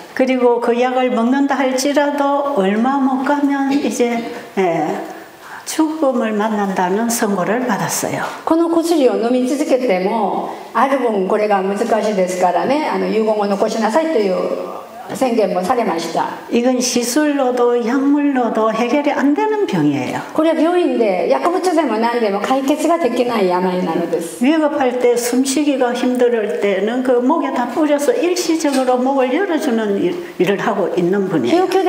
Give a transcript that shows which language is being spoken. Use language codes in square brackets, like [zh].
[ko] 그리고 그 약을 먹는다 할지라도 얼마 못 가면 이제 죽음을 만난다는 선고를 받았어요. [ja] この薬を飲み続けてもある分これが難しいですからね、遺言を残しなさいという宣言もされました。 [ko] 이건 시술로도 약물로도 해결이 안 되는 병이에요. [ja] これは病院で薬物でも何でも解決ができない病なのです。 [ko] 위급할 때 숨쉬기가 힘들 때는 그 목에 다 뿌려서 일시적으로 목을 열어주는 일을 하고 있는 분이에요.